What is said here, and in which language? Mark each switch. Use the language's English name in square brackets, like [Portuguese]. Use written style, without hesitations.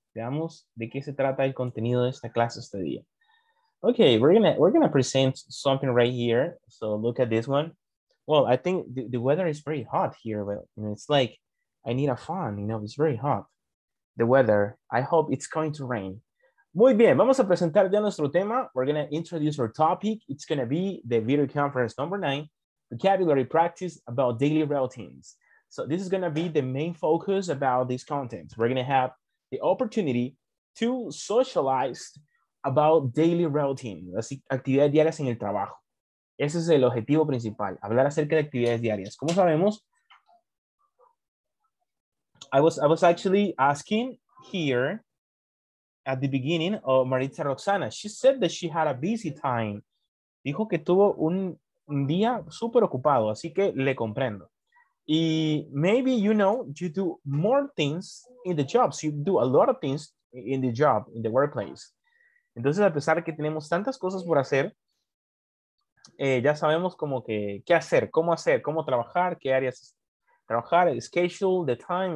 [Spanish] Veamos de qué se trata el contenido de esta clase este día. [English] Okay, we're gonna present something right here. So, look at this one. Well, I think the weather is very hot here. But, you know, it's like, I need a fan, you know, it's very hot. The weather, I hope it's going to rain. [Spanish] Muy bien, vamos a presentar ya nuestro tema. [English] We're gonna introduce our topic. It's gonna be the video conference number 9, vocabulary practice about daily routines. So this is going to be the main focus about this content. We're going to have the opportunity to socialize about daily routine, [Spanish] actividades diarias en el trabajo. Ese es el objetivo principal, hablar acerca de actividades diarias. Como sabemos, [English] I was actually asking here at the beginning of Maritza Roxana. She said that she had a busy time. [Spanish] Dijo que tuvo un día súper ocupado, así que le comprendo. [English] Maybe, you know, you do more things in the jobs. You do a lot of things in the job, in the workplace. [Spanish] Entonces, a pesar de que tenemos tantas cosas por hacer, ya sabemos como que qué hacer, cómo trabajar, qué áreas trabajar, [English] the schedule, the time.